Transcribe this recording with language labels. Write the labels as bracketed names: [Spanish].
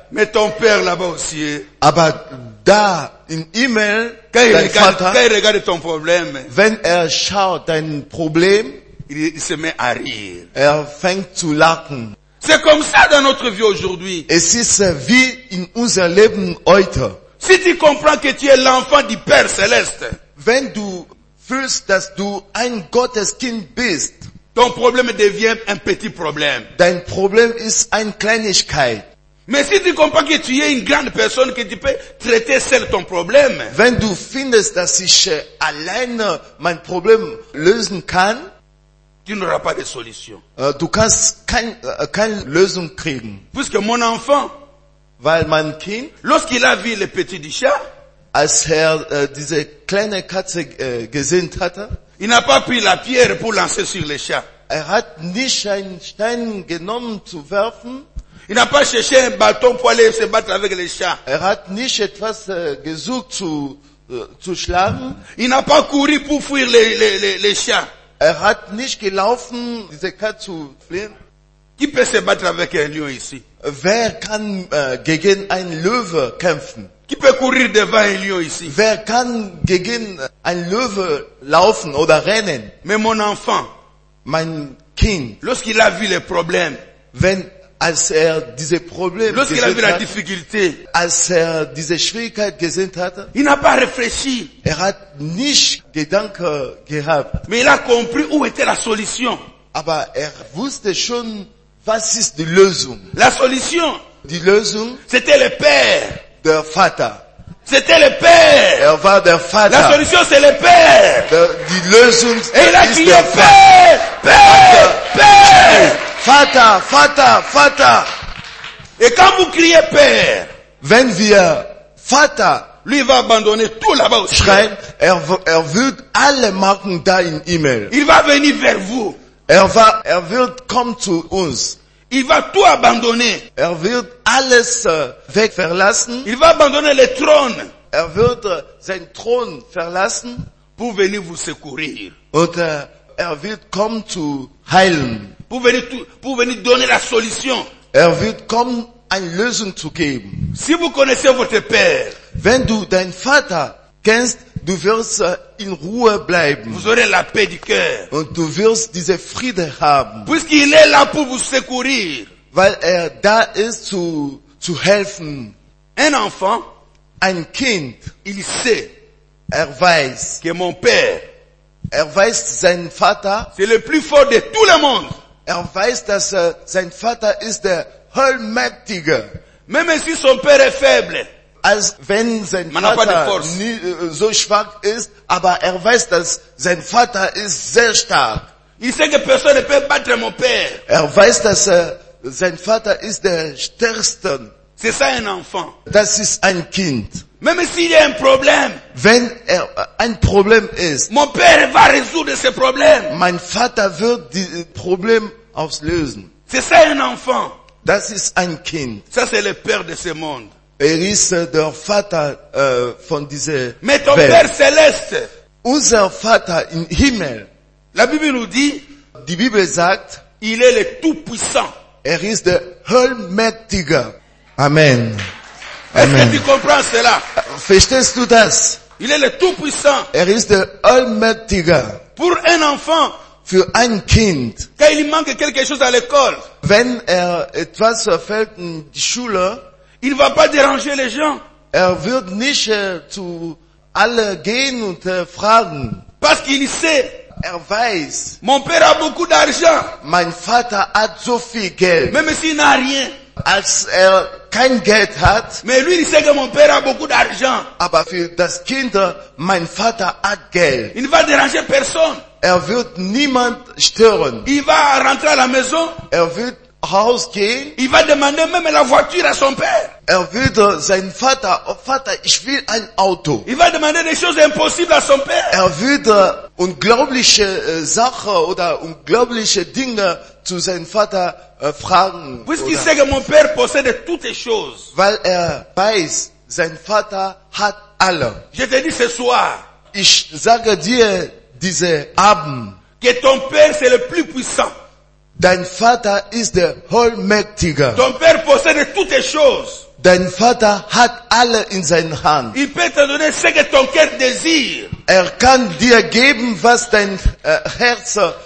[French] Mais ton père là-bas aussi. [German] Aber da, in E-Mail, [French] quand il regarde ton problème, [German] wenn er schaut dein Problem, [French] il se met à rire. [German] Er fängt zu lachen. [French] C'est comme ça dans notre vie aujourd'hui. Et si c'est vie [German] in unser Leben heute. [French] Si tu comprends que tu es l'enfant du Père céleste. [German] Wenn du fühlst, dass du ein Gotteskind bist. [French] Ton problème devient un petit problème. [German] Dein Problem ist eine Kleinigkeit. [French] Mais si tu comprends que tu es une grande personne que tu peux traiter seul ton problème. [German] Wenn du findest, dass ich alleine mein Problem lösen kann. [French] Tu n'auras pas de solution. [German] Du kannst keine Lösung kriegen. [French] Puisque mon enfant, [German] weil mein Kind, [French] lorsqu'il a vu le petit du chat, [German] als er diese kleine Katze gesehen hatte, [French] il n'a pas pris la pierre pour lancer sur le chat. [German] Er hat nicht einen Stein genommen zu werfen. [French] Il n'a pas cherché un bâton pour aller se battre avec le chat. [German] Er hat nicht etwas gesucht zu schlagen. [French] Il n'a pas couru pour fuir le chat. [German] Er hat nicht gelaufen, diese Katze zu fliehen. [French] Qui peut se battre avec un lion ici? [German] Wer kann gegen einen Löwe kämpfen? [French] Qui peut courir devant un lion ici? [German] Wer kann gegen einen Löwe laufen oder rennen? [French] Mais mon enfant, [German] mein Kind, [French] lorsqu'il a vu les problèmes, [German] wenn als er diese Probleme, [French] lorsqu'il a vu la difficulté, [German] als er diese Schwierigkeit gesehen hat, [French] il n'a pas réfléchi. [German] Er hat nicht Gedanken gehabt. [French] Mais il a compris où était la solution. [German] Aber er wusste schon, was ist die Lösung. [French] La solution. [German] Die Lösung. [French] C'était le Père. [German] Der Vater. [French] C'était le Père. [German] Er war der Vater. [French] La solution, c'est le Père. [German] Die Lösung. [French] Et il a crié, Père, Père, Père, Père. [German] Vater, Vater, Vater. [French] Et quand vous criez Père, [German] wenn wir Vater, [French] lui va abandonner tout là-bas aussi. [German] Schreien, er wird alle machen da in E-Mail. [French] Il va venir vers vous. [German] Er wird kommen zu uns. [French] Il va tout abandonner. [German] Er wird alles wegverlassen. [French] Il va abandonner le trône. [German] Er wird seinen Thron verlassen. [French] Pour venir vous secourir. [German] Und er wird kommen zu heilen. [French] Pour venir donner la solution. [German] Er wird kommen, eine Lösung zu geben. [French] Si vous connaissez votre père, [German] wenn du deinen Vater kennst, du wirst in Ruhe bleiben. [French] Vous aurez la paix du cœur. [German] Und du wirst diese Friede haben. [French] Puisqu'il est là pour vous secourir. [German] Weil er da ist zu helfen. [French] Un enfant, [German] ein Kind, [French] il sait, [German] er weiß, [French] que mon père, [German] er weiß seinen Vater, [French] c'est le plus fort de tout le monde. [German] Er weiß, dass sein Vater ist der Höllmächtige. [French] Même si son père est faible. [German] Als wenn sein Vater so schwach ist, aber er weiß, dass sein Vater ist sehr stark. [French] Il sait que personne ne peut battre mon père. [German] Er weiß, dass sein Vater ist der Stärkste. [French] C'est ça un enfant. [German] Das ist ein Kind. [French] Même s'il y a un problème. [German] Wenn er ein Problem ist. [French] Mon père va résoudre ce problème. [German] Mein Vater wird die Problem auflösen. [French] C'est ça un enfant. [German] Das ist ein Kind. [French] Ça c'est le père de ce monde. [German] Er ist der Vater von dieser Welt. [French] Mais ton père céleste. [German] Unser Vater im Himmel. [French] La Bible nous dit. [German] Die Bibel sagt. [French] Il est le tout puissant. [German] Er ist der Höllmächtige. [French] Amen. Est-ce que tu comprends cela? [German] Verstehst du das? [French] Il est le tout-puissant. [German] Er ist der Allmächtige. [French] Pour un enfant. [German] Für ein Kind. [French] Quand il manque quelque chose à l'école. [German] Wenn er etwas fällt in die Schule. [French] Il va pas déranger les gens. [German] Er wird nicht zu alle gehen und fragen. [French] Parce qu'il sait. [German] Er weiß. [French] Mon père a beaucoup d'argent. [German] Mein Vater hat so viel Geld. [French] Même s'il n'a rien. [German] Als er kein Geld hat. [French] Mais lui, il sait que mon père a beaucoup d'argent. [German] Aber für das Kind, mein Vater hat Geld. [French] Il ne va déranger personne. [German] Er wird niemand stören. [French] Il va rentrer à la maison. [German] Er wird Haus gehen. [French] Il va demander même la voiture à son père. [German] Er wird seinen Vater, oh Vater, ich will ein Auto. [French] Il va demander des choses impossibles à son père. [German] Er wird unglaubliche Sachen oder unglaubliche Dinge zu seinem Vater fragen. [French] Puisqu'il sait que mon père possède toutes les choses. [German] Weil er weiß, sein Vater hat alle. [French] Je te dis ce soir. [German] Ich sage dir diese Abend. [French] Que ton père c'est le plus puissant. [German] Dein Vater ist der Allmächtige. [French] Ton père possède toutes les choses. [German] Dein Vater hat alle in seinen Hand. [French] Il peut te donner ce que ton cœur désire. [German] Er kann dir geben, was dein Herz